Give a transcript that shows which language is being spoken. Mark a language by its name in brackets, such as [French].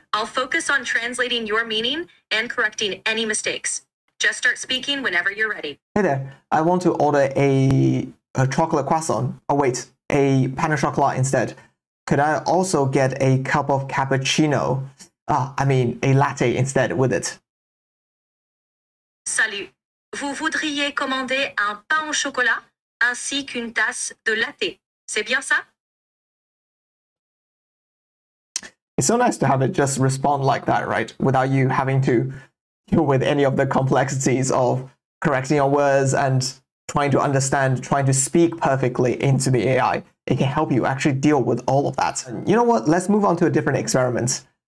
[English] I'll focus on translating your meaning and correcting any mistakes. Just start speaking whenever you're ready. Hey there, I want to order a chocolate croissant. Oh wait, a pan au chocolat instead. Could I also get a cup of cappuccino? A latte instead with it. [French] Salut. Vous voudriez commander un pain au chocolat ainsi qu'une tasse de latte, c'est bien ça? [English] It's so nice to have it just respond like that, right? Without you having to deal with any of the complexities of correcting your words and trying to understand, trying to speak perfectly into the AI. It can help you actually deal with all of that. And you know what? Let's move on to a different experiment.